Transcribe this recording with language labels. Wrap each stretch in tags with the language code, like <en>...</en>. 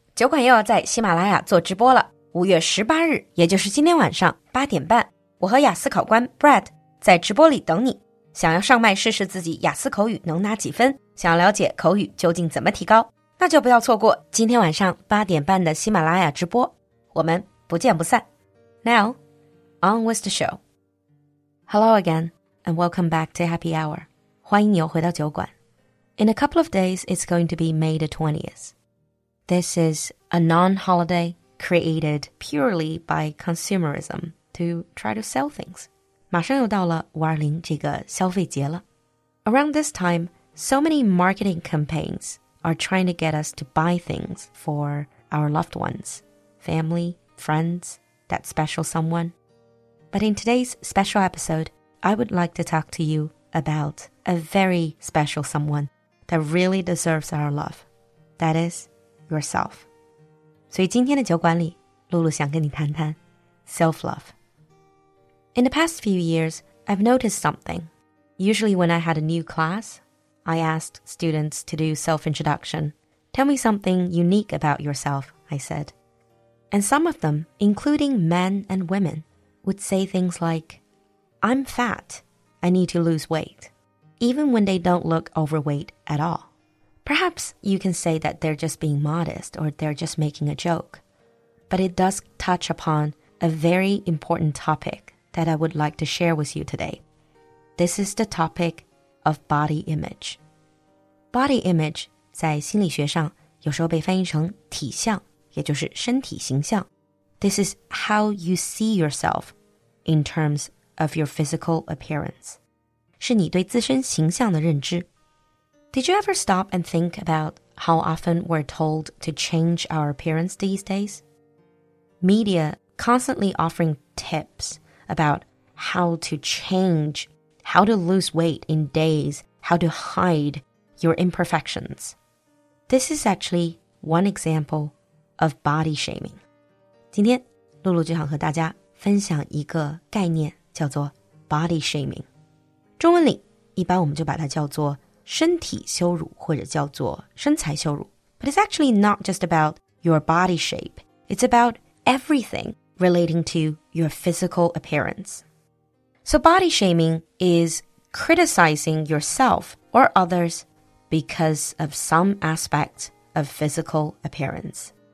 <zh>酒馆又要在喜马拉雅做直播了。5月18日，也就是今天晚上8点半，我和雅思考官 Brad 在直播里等你。想要上麦试试自己雅思口语能拿几分，想要了解口语究竟怎么提高，那就不要错过今天晚上8点半的喜马拉雅直播。我们不见不散。</zh> <en>Now, on with the show. Hello again, and welcome back to Happy Hour.</en> <zh>欢迎你又回到酒馆。</zh> <en>In a couple of days, it's going to be May the 20th. This is a non-holiday created purely by consumerism to try to sell things.</en> <zh>马上又到了520这个消费节了。</zh> <en>Around this time, so many marketing campaigns are trying to get us to buy things for our loved ones, family, friends, that special someone. But in today's special episode, I would like to talk to you about a very special someone. That really deserves our love. That is yourself.</en> <zh>所以今天的酒馆里，露露想跟你谈谈 self-love.</zh> <en>In the past few years, I've noticed something. Usually when I had a new class, I asked students to do self-introduction. Tell me something unique about yourself, I said. And some of them, including men and women, would say things like, I'm fat. I need to lose weight. Even when they don't look overweight at all. Perhaps you can say that they're just being modest or they're just making a joke. But it does touch upon a very important topic that I would like to share with you today. This is the topic of body image.</en> <zh>Body image 在心理学上有时候被翻译成体相，也就是身体形象。</zh> <en>This is how you see yourself in terms of your physical appearance.</en> <zh>是你对自身形象的认知。</zh> <en>Did you ever stop and think about how often we're told to change our appearance these days? Media constantly offering tips about how to change, how to lose weight in days, how to hide your imperfections. This is actually one example of body shaming.</en> <zh>今天，露露就想和大家分享一个概念，叫做 body shaming。中文里一般我们就把它叫做身体羞辱或者叫做身材羞辱。</zh> <en>But it's actually not just about your body shape. It's about everything relating to your physical appearance. So body shaming is criticizing yourself or others because of some aspect of physical appearance.</en>